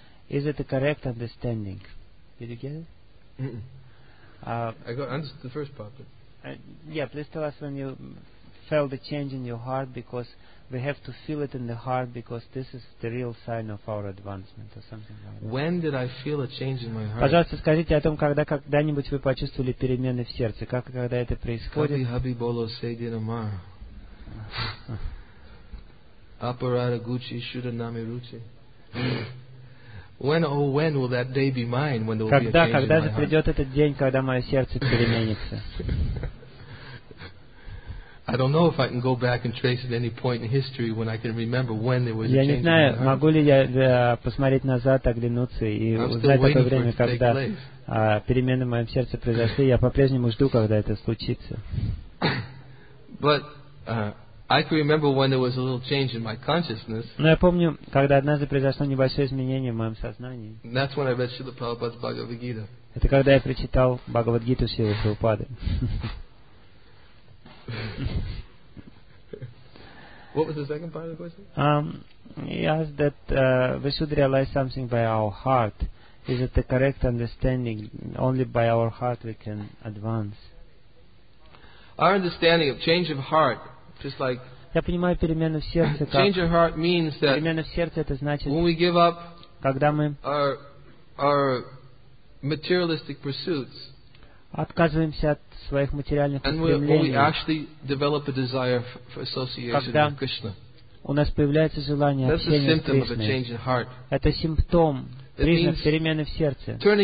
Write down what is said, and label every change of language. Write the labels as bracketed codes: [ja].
[en] Is it a correct understanding? Did you get it? I got understood the first part. But yeah, please tell us when you felt the change in your heart, because we have to feel it in the heart, because this is the real sign of our advancement or something like that. When did I feel a change in my heart? [ru] Пожалуйста, скажите о том, когда когда-нибудь вы почувствовали перемены в сердце, как когда это происходит? [bn] Kabhi habi bolo se dinamar. Aparada gucci shuda nami ruchi. [en] When, oh, when will that day be mine? When there will [ru] когда, [en] be a change in my heart? [ru] Когда придет этот день, когда мое сердце переменится? [en] I don't know if I can go back and trace at any point in history when I can remember when there was [ru] я [en] a change [ru] знаю, [en] in my heart. [ru] Могу ли я посмотреть назад, оглянуться и узнать то время, когда перемены в моем сердце произошли. Я по-прежнему жду, когда это случится. [en] But I can remember when there was a little change in my consciousness. [ru] Но я помню, когда однажды произошло небольшое изменение в моем сознании. [en] That's when I read Srila Prabhupada's Bhagavad Gita. [ru] Это когда я прочитал Бхагавад Гиту Шрилы Прабхупады. [en] What was the second part of the question? He asked that we should realize something by our heart. Is it the correct understanding? Only by our heart we can advance. Our understanding of change of heart, just like [ru] я понимаю перемены в сердце. [en] Change of heart means that [ru] перемены в сердце это значит [en] when we give up [ru] когда мы [en] our materialistic pursuits. [ru] Отказываемся от своих материальных устремлений. Когда у нас появляется желание общения с Кришной, это симптом, признак перемены в сердце.